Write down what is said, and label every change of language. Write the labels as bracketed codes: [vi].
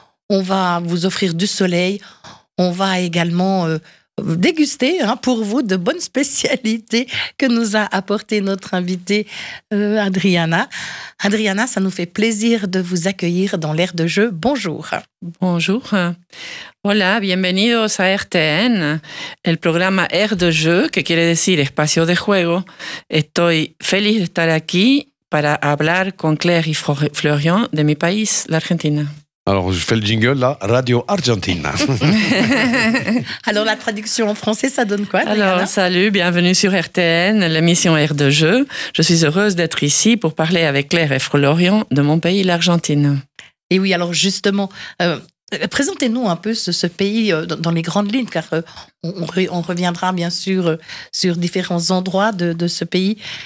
[fr] On va vous offrir du soleil. On va également déguster pour vous de bonnes spécialités que nous a apporté notre invitée Adriana. Adriana, ça nous fait plaisir de vous accueillir dans l'air de jeu. Bonjour. Bonjour. [es] Hola, bienvenidos a RTN, el programa Air de Jeu, que quiere decir espacio de juego. Estoy feliz de estar aquí para hablar con Claire y Florian de mi país, l'Argentina. [fr] Alors, je fais le jingle, là, Radio Argentina. Alors, la traduction en français, ça donne quoi, Adriana? Alors, salut, bienvenue sur RTN, l'émission Air de Jeu. Je suis heureuse d'être ici pour parler avec Claire et Florian de mon pays, l'Argentine. Et oui, alors justement, présentez-nous un peu ce pays dans les grandes lignes, car on reviendra bien sûr sur différents endroits de ce pays.